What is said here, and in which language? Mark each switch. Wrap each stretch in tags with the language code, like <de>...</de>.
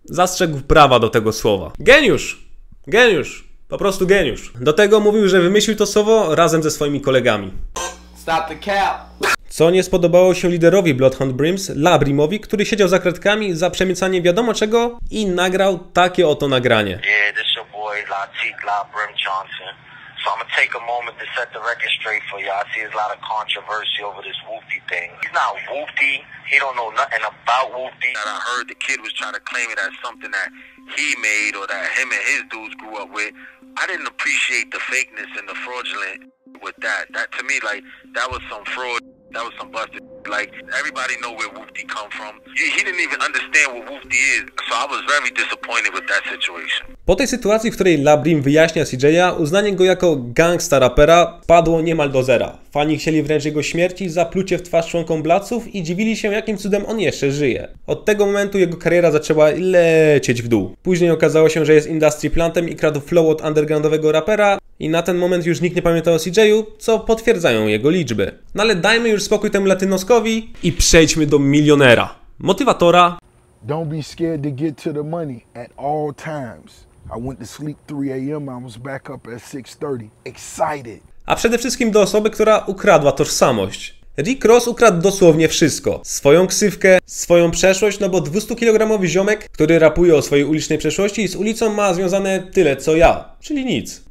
<pl>Zastrzegł prawa do tego słowa. Geniusz! Geniusz! Po prostu geniusz. Do tego mówił, że wymyślił to słowo razem ze swoimi kolegami.</pl> <en>Stop the cap.</en> <pl>Co nie spodobało się liderowi Bloodhound Brims, Labrimowi, który siedział za kratkami za przemycanie wiadomo czego i nagrał takie oto nagranie.</pl> <en>Yeah, this is your boy, Latik Labrim Johnson. So I'm gonna take a moment to set the record straight for y'all. I see there's a lot of controversy over this Whoopty thing. He's not Whoopty. He don't know nothing about Whoopty. And I heard the kid was trying to claim it as something that he made or that him and his dudes grew up with. I didn't appreciate the fakeness and the fraudulent with that. That to me, like, that was some fraud. That was some busted. Like, everybody know where Whoopty come from. He didn't even understand what Whoopty is. So I was very disappointed with that situation.</en> <pl>Po tej sytuacji, w której Labrim wyjaśnia CJ-a, uznanie go jako gangsta rapera padło niemal do zera. Fani chcieli wręcz jego śmierci za plucie w twarz członkom Bloodsów i dziwili się, jakim cudem on jeszcze żyje. Od tego momentu jego kariera zaczęła lecieć w dół. Później okazało się, że jest industry plantem i kradł flow od undergroundowego rapera i na ten moment już nikt nie pamięta o CJ-u, co potwierdzają jego liczby. No ale dajmy już spokój temu latynoskowi i przejdźmy do milionera. Motywatora.</pl> <en>Don't be scared to get to the money at all times. I went to sleep 3 a.m. I was back up at 6:30. Excited.</en> <pl>A przede wszystkim do osoby, która ukradła tożsamość. Rick Ross ukradł dosłownie wszystko. Swoją ksywkę, swoją przeszłość, no bo 200-kilogramowy ziomek, który rapuje o swojej ulicznej przeszłości, z ulicą ma związane tyle co ja, czyli nic.</pl>